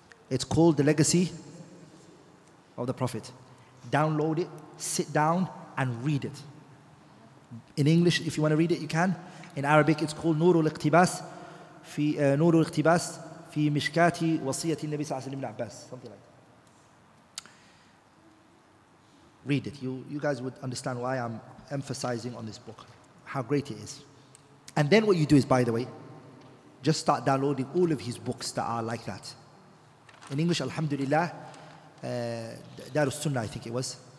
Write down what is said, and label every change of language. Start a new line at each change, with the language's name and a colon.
English: It's called The Legacy of the Prophet. Download it. Sit down and read it. In English, if you want to read it, you can. In Arabic, it's called Nurul Iqtibas.
Arabic: في نور الاقتباس في مشكات وصية النبي صلى الله عليه وسلم عباس.
English: Something like that. Read it. You guys would understand why I'm emphasizing on this book, how great it is. And then what you do is, by the way, just start downloading all of his books that are like that. In English, Alhamdulillah, Darus Sunnah, I think it was.